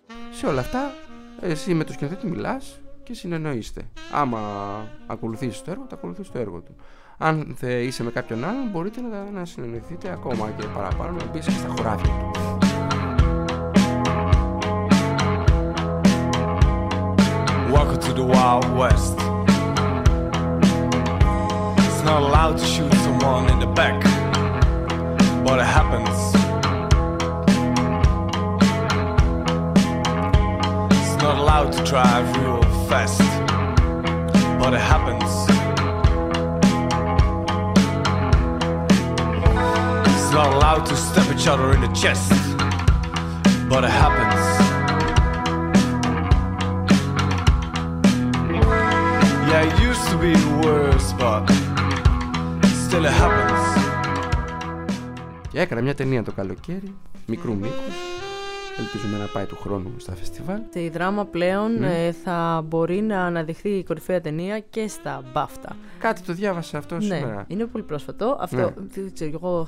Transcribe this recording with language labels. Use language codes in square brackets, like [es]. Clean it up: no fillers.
[el] Σε όλα αυτά, εσύ με το σκηνοθέτη μιλάς και συνεννοείστε. Άμα ακολουθήσεις το έργο, τα ακολουθείς το έργο του. Αν είσαι με κάποιον άλλον, μπορείτε να συνεννοηθείτε ακόμα και παραπάνω, να μπεις και στα χωράφια του. [en] Welcome to the Wild West. It's not allowed to shoot someone in the back, but it happens. It's not allowed to drive real fast, but it happens. Not allowed to stab each other in the chest, but it happens. Yeah, it used to be worse, but still it happens. [el] Και έκανα μια ταινία το καλοκαίρι, μικρού μήκους. Ελπίζουμε να πάει του χρόνου στα φεστιβάλ. Η δράμα πλέον θα μπορεί να αναδειχθεί η κορυφαία ταινία και στα BAFTA. Κάτι το διάβασα αυτό σήμερα. Είναι πολύ πρόσφατο. Αυτό, δεν ξέρω, εγώ